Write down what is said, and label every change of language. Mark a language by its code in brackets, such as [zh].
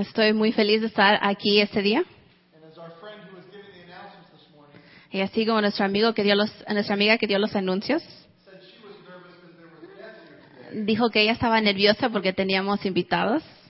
[es] Estoy muy feliz de estar aquí este día. [en] And as our friend who was giving the announcements this morning, [es] y así como nuestra amiga que dio los anuncios, [en] said she was nervous because there was guests here today. [es] Dijo que ella estaba nerviosa porque teníamos invitados.